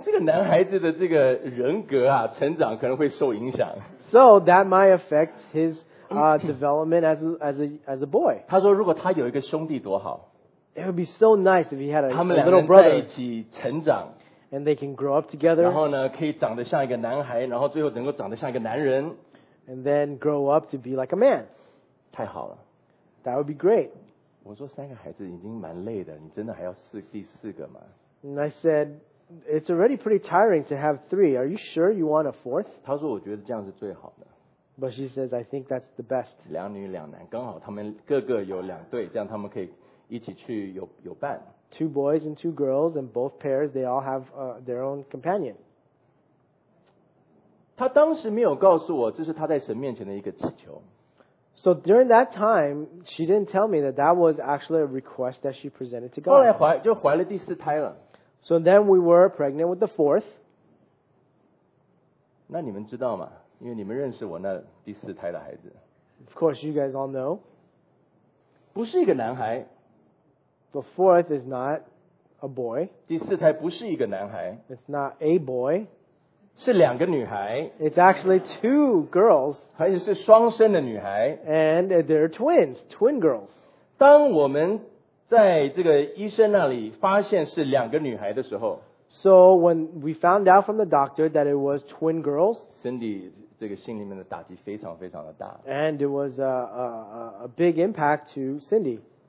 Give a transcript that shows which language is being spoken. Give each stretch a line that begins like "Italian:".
Chinese: 这个男孩子的这个人格啊, 成长可能会受影响。
English: So that might affect his development as a boy.
Chinese: 他说如果他有一个兄弟多好,
English: it would be so nice if he had a little brother. And they can grow up together.
Chinese: 然后呢, 可以长得像一个男孩, 然后最后能够长得像一个男人,
English: and then grow up to be like a man.
Chinese: 太好了,
English: that would be great.
Chinese: 我说三个孩子已经蛮累的, 你真的还要第四个吗?
English: And I said, it's already pretty tiring to have three. Are you sure you want a fourth?
Chinese: 她说我觉得这样是最好的。
English: But she says, I think that's the best.
Chinese: 两女两男, 刚好他们各个有两对, 这样他们可以一起去有伴。
English: Two boys and two girls, and both pairs, they all have their own companion.
Chinese: 她当时没有告诉我这是她在神面前的一个祈求。
English: So during that time, she didn't tell me that that was actually a request that she presented to God.
Chinese: 后来怀了第四胎了。
English: So then we were pregnant with the fourth.
Chinese: 那你们知道吗? 因为你们认识我那第四胎的孩子。
English: Of course, you guys all know.
Chinese: 不是一个男孩。
English: The fourth is not a boy.
Chinese: 第四胎不是一个男孩。
English: It's not a boy.
Chinese: 是两个女孩。
English: It's actually two girls.
Chinese: 还是双生的女孩。
English: And they're twins, twin girls.
Chinese: 当我们 在这个医生那里发现是两个女孩的时候,
English: so when we found out from the doctor that it was twin girls,
Chinese: Cindy这个心里面的打击非常非常的大,
English: and it was a big impact to Cindy.